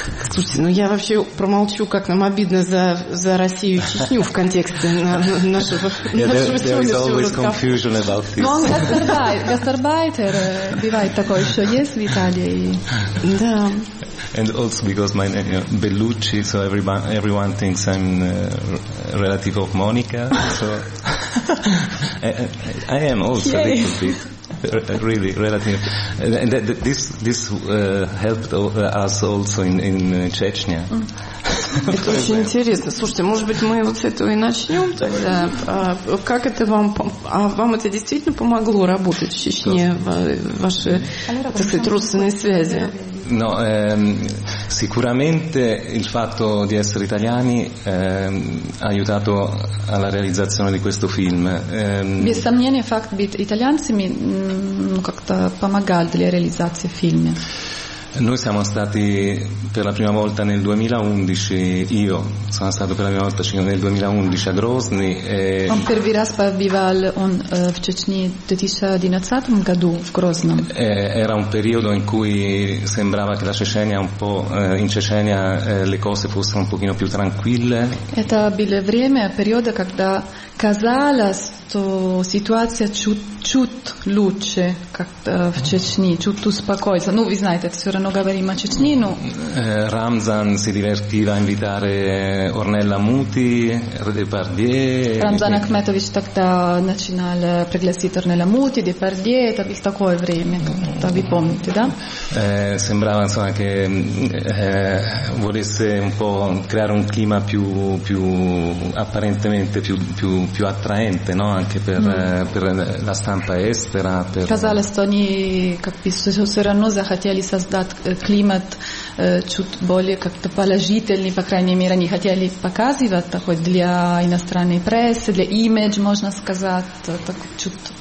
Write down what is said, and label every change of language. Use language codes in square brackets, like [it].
[ru] Слушайте, ну я вообще промолчу, как нам обидно за Россию и Чечню в контексте нашего сегодняшнего разговора. Но он гастарбайтер, бывает такое, что есть в Италии. Да. [en] And also because my name is Bellucci, so everyone thinks I'm relative of Monica. So I am also a little bit really relative, and this helped us also in Chechnya. [ru] Это очень интересно. Слушайте, может быть, мы вот с этого и начнем тогда. Как это вам... А вам это действительно помогло работать в Чечне, ваши, так сказать, родственные связи? [it] No, sicuramente il fatto di essere italiani ha aiutato alla realizzazione di questo film. [ru] Без сомнения, факт быть итальянцами как-то помогал для реализации фильма. [it] Noi siamo stati per la prima volta nel 2011, io sono stato per la prima volta nel 2011 a Grozny. [ru] Он первый раз побывал в Чечне в 2011 году в Грозном. [it] Era un periodo in cui sembrava che la Cecenia un po' in Cecenia le cose fossero un pochino più tranquille. [ru] Это было время, периода, когда казалось, что ситуация чуть-чуть лучше, как в Чечне, чуть успокоится. Ну, вы знаете, все равно говорим о Чечне, но... [it] Рамзан si divertiva a invitare Ornella Muti, Depardie... [ru] Рамзан Ахметович тогда начинал пригласить Ornella Muti, Depardie, это было такое время, как-то вы помните, да? [it] Sembrava, insomma, che volesse un po' creare un clima più apparentemente più attraente, no? Anche per la stampa estera, per casa l'Estonia, capisco, se erano [ru] захотели создать климат чуть более как-то положительный, по крайней мере, они хотели показывать такой для иностранной прессы, для имидж, можно сказать, так чуть